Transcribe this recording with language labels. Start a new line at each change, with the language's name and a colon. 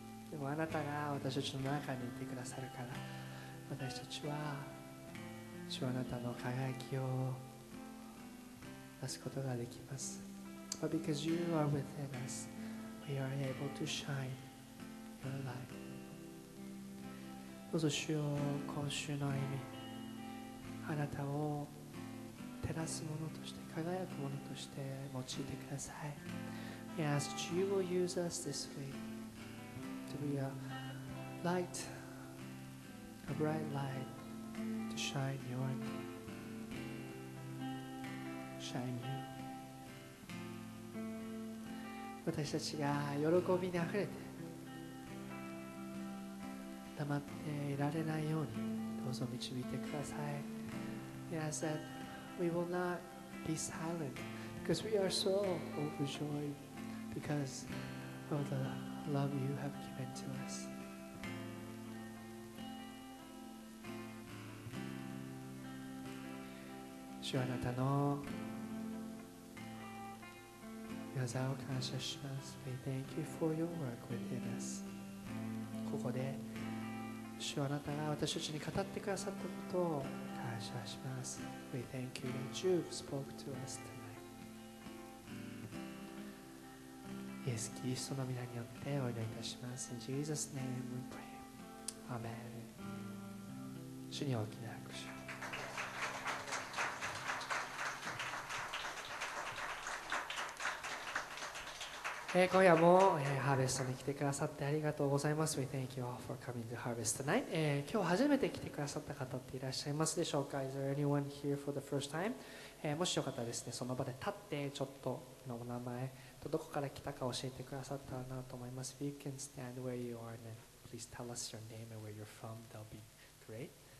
Japanese: でもあなたが私たちの中にいてくださるから、私たちは主はあなたの輝きを出すことができます。
English: But because you are within us, we are able to shine your light.
Japanese: どうぞ主よ、今週の歩み、あなたを照らすものとして、輝くものとして用いてください。
English: We ask that you will use us this week to be a light, a bright light to shine your name, shine you.
Japanese: 私たちが喜びにあふれて、黙っていられないようにどうぞ導いてください。
English: Yes, that we will not be silent because we are so overjoyed because of the love you have given to us.
Japanese: あなたの御座を感謝します。
English: We thank you for your work within us.
Japanese: ここで主はあなたが私たちに語ってくださったことを感謝します。
English: We thank you that you spoke to us tonight.
Japanese: イエス・キリストの御名によってお祈りいたします。
English: In Jesus' name we pray. Amen.
Japanese: 主に大きな拍手。今夜も、ハーベストに来てくださってありがとうございます。
English: We thank you all for coming to Harvest tonight.
Japanese: 今日初めて来てくださった方っていらっしゃいますでしょうか ?
English: Is there anyone here for the first time?、
Japanese: もしよかったらですね、その場で立ってちょっとのお名前とどこから来たか教えてくださったらなと思います。
English: If you can stand where you are and please tell us your name and where you're from, that'll be great.